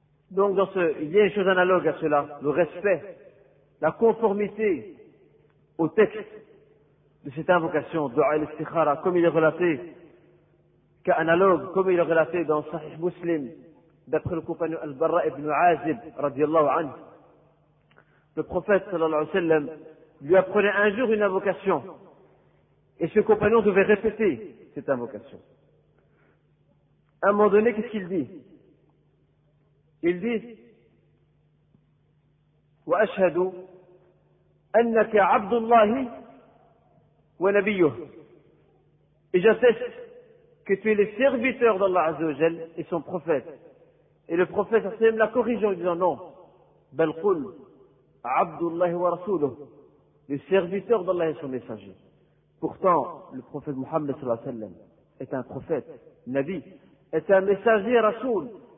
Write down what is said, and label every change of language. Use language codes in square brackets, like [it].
[fr] Donc dans ce, il y a une chose analogue à cela, le respect, la conformité au texte de cette invocation, du'a al-istikhara, comme il est relaté, qu'analogue, comme il est relaté dans Sahih Muslim, d'après le compagnon Al-Barra ibn Azib, radiallahu anhu, le prophète, sallallahu alayhi wa sallam, lui apprenait un jour une invocation, et ce compagnon devait répéter cette invocation. À un moment donné, qu'est-ce qu'il dit? Il dit, [ar] وأشهد أنك عبد الله ونبيه. [fr] Et j'atteste que tu es le serviteur d'Allah Azza wa Jal et son prophète. Et le prophète Azza wa Jal l'a corrigé en disant non. [ar] Bel qul, Abdullah wa Rasuluh, [fr] le serviteur d'Allah et son messager. Pourtant, le prophète Muhammad sallallahu alayhi wa sallam est un prophète, Nabi, est un messager Rasul.